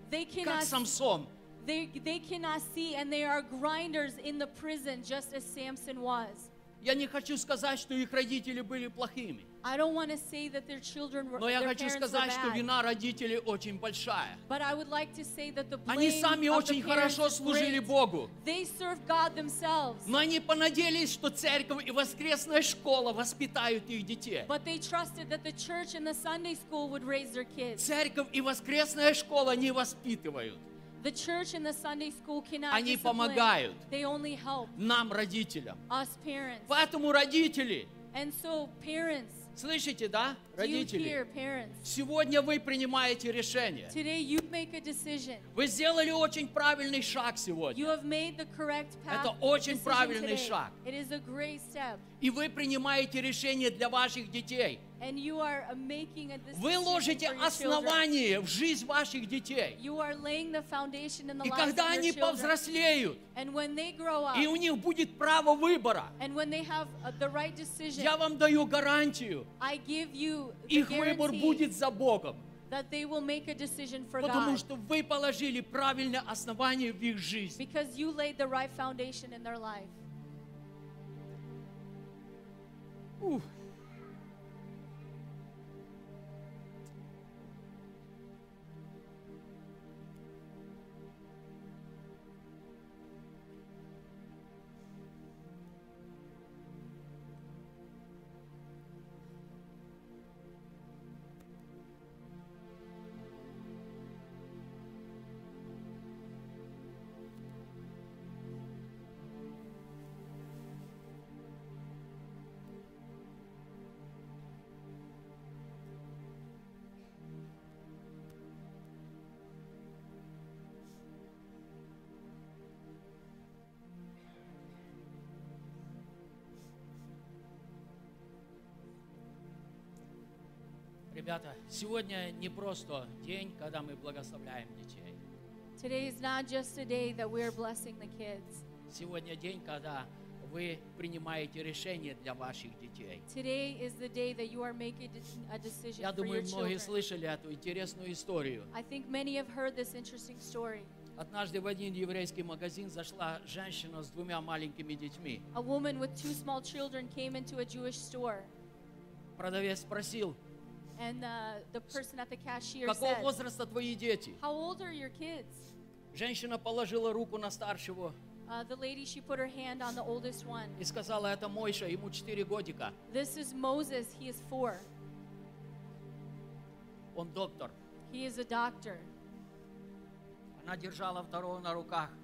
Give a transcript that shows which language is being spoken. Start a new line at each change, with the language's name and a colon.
English: They cannot,
Russian: как Самсон.
English: They cannot see, and they are grinders in the prison, just as Samson was.
Russian: Я не хочу сказать, что их родители были плохими.
English: I don't want to say that their children were,
Russian: но я хочу сказать, что вина родителей очень большая.
English: But I would like to say that the blame
Russian: они сами очень хорошо служили Богу.
English: They served God themselves.
Russian: Но они понадеялись, что церковь и воскресная школа воспитают их детей.
English: But they trusted that the church and the Sunday school would raise their kids.
Russian: Церковь и воскресная школа не воспитывают.
English: The church and the Sunday school cannot
Russian: они помогают.
English: They only help
Russian: нам, родителям.
English: Us parents.
Russian: Поэтому родители.
English: And so parents.
Russian: Слышите, да, родители?
English: Hear,
Russian: сегодня вы принимаете решение.
English: Today you make a decision.
Russian: Вы сделали очень правильный шаг сегодня.
English: You have made the correct path.
Russian: Это очень правильный
English: today.
Russian: Шаг.
English: It is a great step.
Russian: И вы принимаете решение для ваших детей.
English: And you are making a decision.
Russian: Вы ложите основание в жизнь ваших детей.
English: You are laying the foundation in the
Russian: и когда
English: lives
Russian: они
English: of your
Russian: повзрослеют,
English: and when they grow up,
Russian: и у них будет право выбора,
English: and when they have the right decision,
Russian: я вам даю гарантию,
English: I give you the
Russian: их выбор будет за Богом.
English: That they will make a decision for
Russian: потому
English: God.
Russian: Что вы положили правильное основание в их жизнь.
English: Because you laid the right foundation in their life. Ух.
Russian: Ребята, сегодня не просто день, когда мы благословляем детей.
English: Today is not just a day that we are blessing the kids.
Russian: Сегодня день, когда вы принимаете решение для ваших детей.
English: Today is the day that you are making a decision for your children.
Russian: Я думаю, многие слышали эту интересную историю.
English: I think many have heard this interesting story.
Russian: Однажды в один еврейский магазин зашла женщина с двумя маленькими детьми.
English: A woman with two small children came into a Jewish store.
Russian: Продавец спросил.
English: And the person at the cashier
Russian: какого
English: said,
Russian: возраста твои дети?
English: How old are your kids?
Russian: Женщина положила руку на старшего.
English: The lady, she put her hand on the oldest one.
Russian: И сказала, это Мойша, ему 4 годика.
English: This is Moses, he is 4.
Russian: Он доктор.
English: He is a doctor.
Russian: Она держала второго на руках.